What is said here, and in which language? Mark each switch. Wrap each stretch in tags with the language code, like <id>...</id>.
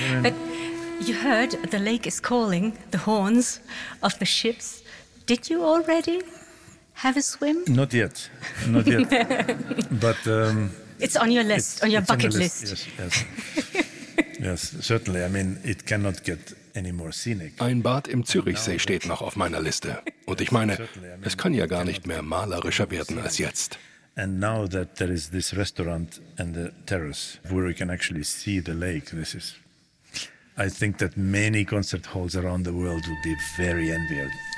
<en>But you heard the lake is calling, the horns of the ships. Did you already have a swim? Not yet. Not yet. But it's on your list, on your bucket list. Yes, yes. Yes, certainly. I mean, it cannot get any more scenic.</en> <de>Ein Bad im Zürichsee steht noch auf meiner Liste. Und ich meine, es kann ja gar nicht mehr malerischer werden als jetzt.</de> <en>And now that there is this restaurant and the terrace where we can actually see the lake, this is, I think that many concert halls around the world would be very envious.</en>